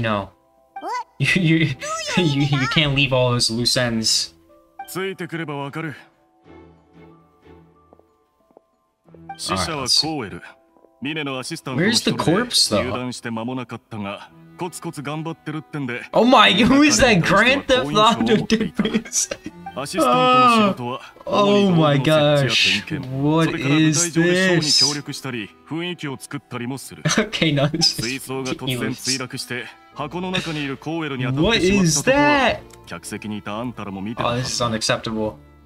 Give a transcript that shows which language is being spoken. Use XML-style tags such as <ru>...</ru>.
<en>But, yeah, I guess, you know. You can't leave all those loose ends.</en> <ja>ついてくればわかる。死者はコーエル。ミネのアシスタントの人で入団して間もなかったが、コツコツ頑張ってるってんで。</ja> <en>Oh my god, who is that Grand Theft Auto difference?</en> <ja>アシスタントの仕事は、</ja> <en>Oh my gosh, what is this?</en> <ja>協力したり、雰囲気を作ったりもする。</ja> <en>Okay, now this is</en> <ja>水槽が突然墜落して、箱の中にいるコーエルに当たってしまったとは、客席にいたあんたらも見て</ja> <en>た。Oh, this is unacceptable.</en>